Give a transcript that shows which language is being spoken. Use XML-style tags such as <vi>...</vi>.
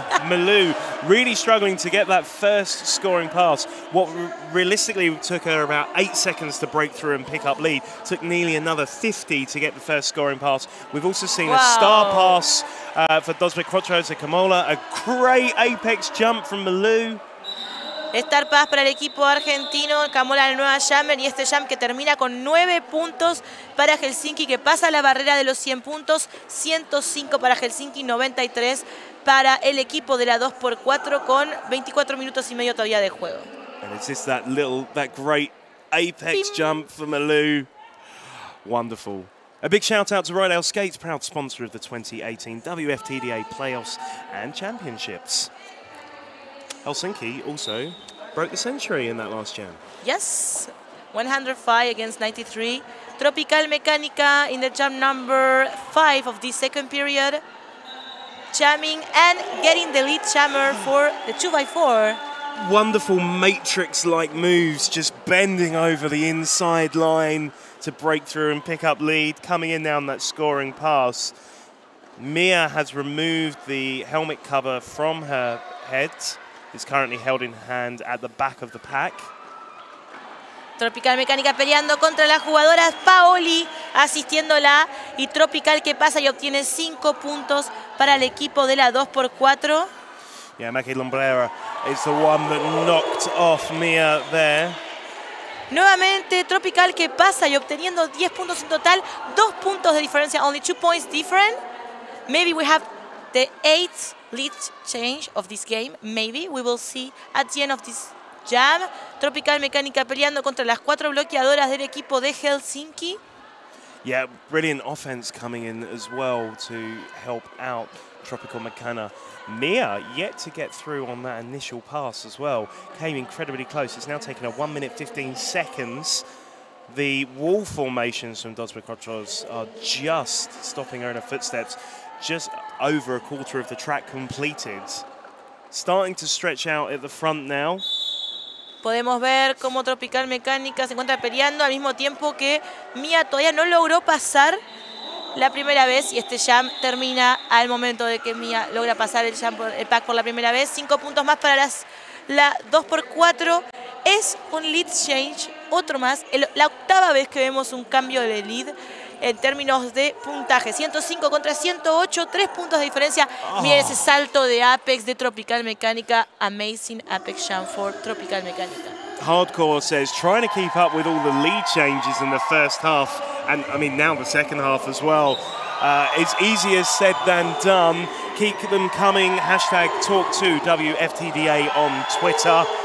<en>Malou really struggling to get that first scoring pass. What realistically took her about 8 seconds to break through and pick up lead. Took nearly another 50 to get the first scoring pass. We've also seen a star pass for Dosbekrotos and Kamola. A great apex jump from Malou.</en> <es>Star pass para el equipo argentino, Kamola la nueva jammer, y este jam que termina con 9 puntos para Helsinki, que pasa la barrera de los 100 puntos, 105 para Helsinki, 93 para el equipo de la 2x4, con 24 minutos y medio todavía de juego.</es> <en>And it's just that little, that great apex jump for Malou. Wonderful. A big shout out to Rydell Skates, proud sponsor of the 2018 WFTDA Playoffs and Championships. Helsinki also broke the century in that last jam. Yes, 105 against 93. Tropical Mecánica in the jam number 5 of the second period. Jamming and getting the lead jammer for the 2x4. Wonderful matrix-like moves, just bending over the inside line to break through and pick up lead. Coming in down that scoring pass, Mia has removed the helmet cover from her head. It's currently held in hand at the back of the pack.</en> <es>Tropical Mecánica peleando contra la jugadora Paoli, asistiéndola. Y Tropical que pasa y obtiene 5 puntos para el equipo de la 2x4.</es> <en>Yeah, Maki Lombrera is the one that knocked off Mia there.</en> <es>Nuevamente, Tropical que pasa y obteniendo 10 puntos en total, 2 puntos de diferencia,</es> <en>only 2 points different. Maybe we have the 8th lead change of this game. Maybe we will see at the end of this jam.</en> <es>Tropical Mecánica peleando contra las 4 bloqueadoras del equipo de Helsinki.</es> <en>Yeah, brilliant offense coming in as well to help out Tropical Mecánica. Mia yet to get through on that initial pass as well. Came incredibly close. It's now taken her 1 minute 15 seconds. The wall formations from Dos Bocachos are just stopping her in her footsteps. Just over a quarter of the track completed. Starting to stretch out at the front now.</en> <es>Podemos ver cómo Tropical Mecánica se encuentra peleando al mismo tiempo que Mia todavía no logró pasar la primera vez, y este jam termina al momento de que Mia logra pasar el jam por, el pack por la primera vez. 5 puntos más para las, la 2x4. Es un lead change, otro más. La octava vez que vemos un cambio de lead en términos de puntaje. 105 contra 108, 3 puntos de diferencia. Oh. Miren ese salto de Apex de Tropical Mecánica.</es> <en>Amazing Apex jam for Tropical Mecánica. Hardcore says, trying to keep up with all the lead changes in the first half, and I mean now the second half as well. It's easier said than done. Keep them coming. Hashtag talk to WFTDA on Twitter.</en>